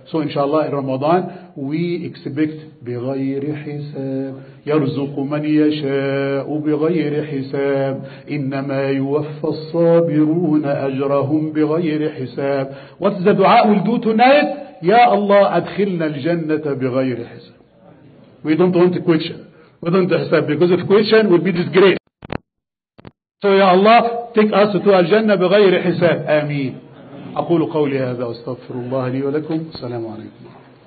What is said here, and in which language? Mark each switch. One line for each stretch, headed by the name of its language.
English: So
Arabic: إن شاء الله
English: in Ramadan we expect
Arabic: بغير حساب يرزق من يشاء بغير حساب إنما يوفى الصابرون أجرهم بغير حساب.
English: What's the دعاء we'll do tonight?
Arabic: يا الله أدخلنا الجنة بغير حساب.
English: We don't want to question. We don't want to say because if question would be disgrace. So
Arabic: يا الله
English: take us to
Arabic: الجنة بغير حساب. آمين. أقول قولي هذا وأستغفر الله لي ولكم. السلام عليكم.